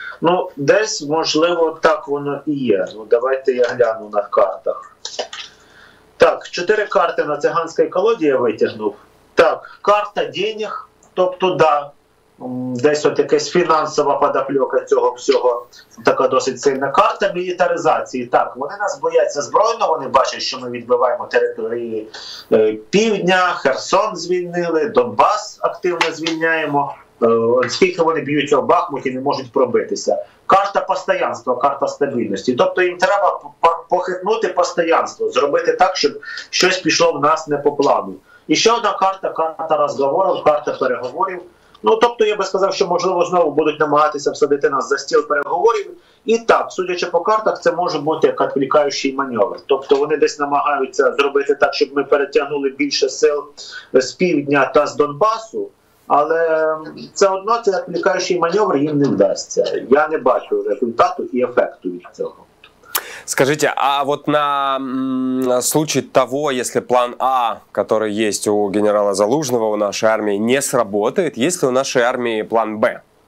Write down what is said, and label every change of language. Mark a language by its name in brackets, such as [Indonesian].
[Ukrainian] Ну, десь, можливо, так воно і є. Ну, давайте я гляну на картах. Так, чотири карти на циганській колоді я витягнув. Так, карта денег, тобто, да, десь от якась фінансова подоплека цього всього, така досить сильна карта мілітаризації. Так, вони нас бояться збройно, вони бачать, що ми відбиваємо території Півдня, Херсон звільнили, Донбас активно звільняємо. Скільки вони б'ються в Бахмуті, не можуть пробитися. Карта постоянства, карта стабільності. Тобто їм треба похитнути постоянство, зробити так, щоб щось пішло в нас не по плану. І ще одна карта, карта розговорів, карта переговорів. Ну, тобто я би сказав, що можливо знову будуть намагатися всадити нас за стіл переговорів. І так, судячи по картах, це може бути як відволікаючий маневр. Тобто вони десь намагаються зробити так, щоб ми перетягнули більше сил з Півдня та з Донбасу. Але все одно цей відволікаючий маневр їм не вдасться. Я не бачу результату і ефекту від цього. [Russian] Скажите, а вот на случай того, если план А, который есть у генерала Залужного, у нашей армии, не сработает, есть ли у нашей армии план Б?